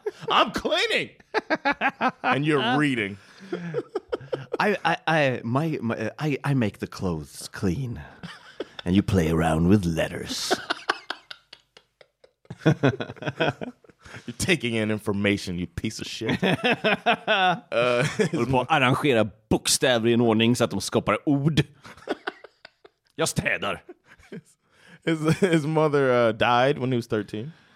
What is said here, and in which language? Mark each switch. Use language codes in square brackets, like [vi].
[en] I'm cleaning, and you're reading. I make the clothes clean, and you play around with letters. You're taking in information, you piece of shit. [sv] Håller på att arrangera bokstäver i en ordning så att de skapar ord. Jag städar. [en] His mother died when he was 13.